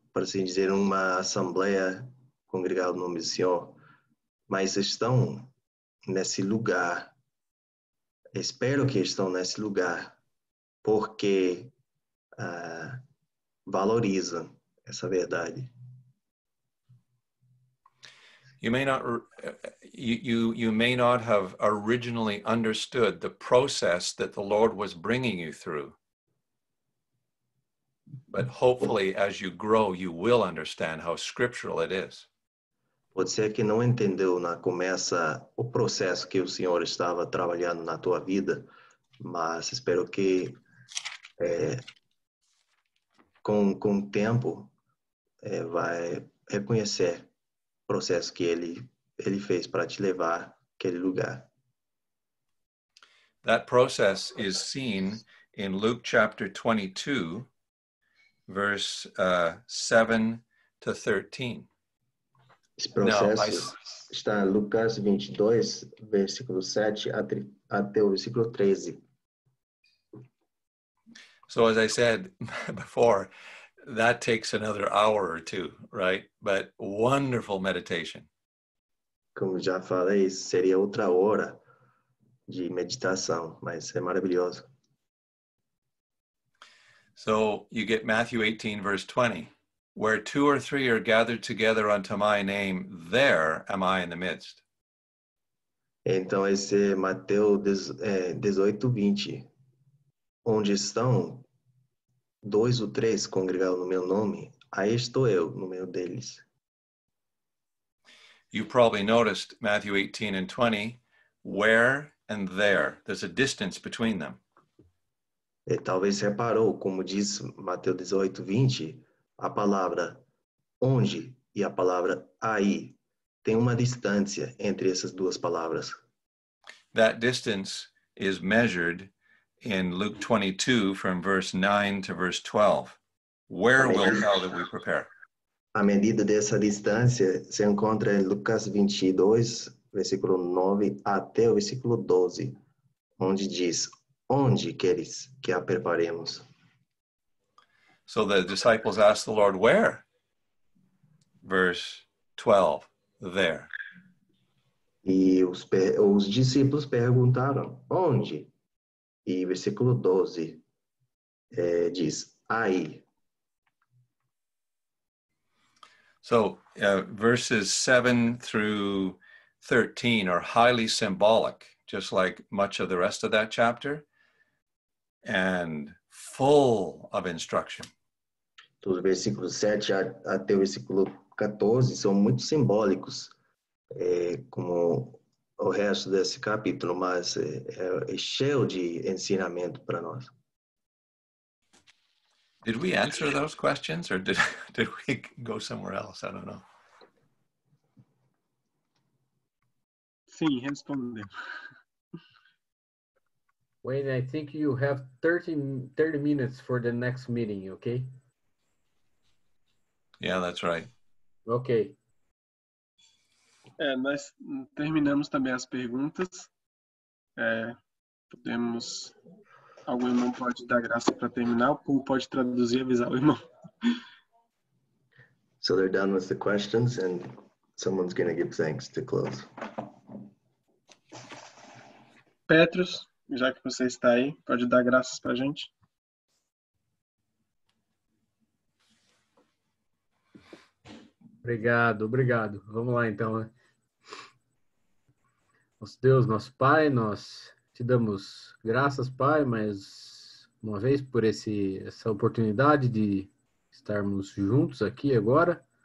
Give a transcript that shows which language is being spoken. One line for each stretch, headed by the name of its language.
Portuguese: Para assim dizer, uma assembleia congregada no nome do Senhor, mas estão nesse lugar, espero que estão nesse lugar, porque valorizam essa verdade.
English: You may not have originally understood the process that the Lord was bringing you through. But hopefully, as you grow, you will understand how scriptural it is.
Portuguese: Pode ser que não entendeu na começa o processo que o Senhor estava trabalhando na tua vida, mas espero que com o tempo, vai reconhecer o processo que ele fez para te levar àquele lugar.
English: That process is seen in Luke chapter 22, verse 7 to 13.
Portuguese: Esse processo está em Lucas 22, versículo 7 até o versículo 13.
English: So as I said before, that takes another hour or two, right? But wonderful meditation.
Portuguese: Como já falei, seria outra hora de meditação, mas é maravilhoso.
English: So you get Matthew 18, verse 20. Where two or three are gathered together unto my name, there am I in the midst.
Portuguese: Então, esse é Mateus 18, 20. Onde estão dois ou três congregados no meu nome, aí estou eu no meio deles.
English: You probably noticed Matthew 18 and 20, where and there. There's a distance between them.
Portuguese: E talvez reparou, como diz Mateus 18, 20, a palavra onde e a palavra aí tem uma distância entre essas duas palavras.
English: That distance is measured in Luke 22 from verse 9 to verse 12. Where will thou that we prepare?
Portuguese: A medida dessa distância se encontra em Lucas 22, versículo 9 até o versículo 12, onde diz, onde queres que a preparemos?
English: So the disciples asked the Lord, where? Verse 12, there.
Portuguese: E os discípulos perguntaram, onde? E versículo 12 diz, aí.
English: So, verses 7 through 13 are highly symbolic, just like much of the rest of that chapter, and full of instruction.
Portuguese: Os versículos 7 até o versículo 14 são muito simbólicos, como o resto desse capítulo, mas é cheio de ensinamento para nós.
English: Did we answer those questions or did we go somewhere else? I don't know.
Portuguese: Sim, respondi.
English: Wayne, I think you have 30 minutes for the next meeting, okay? Yeah, that's right. Okay.
Portuguese: Nós terminamos também as perguntas. Podemos. Algum irmão pode dar graça para terminar, ou pode traduzir e avisar o irmão.
English: So they're done with the questions, and someone's going to give thanks to close.
Portuguese: Petrus, já que você está aí, pode dar graças para a gente. Obrigado. Vamos lá, então. Nosso Deus, nosso Pai, nós te damos graças, Pai, mais uma vez por essa oportunidade de estarmos juntos aqui agora,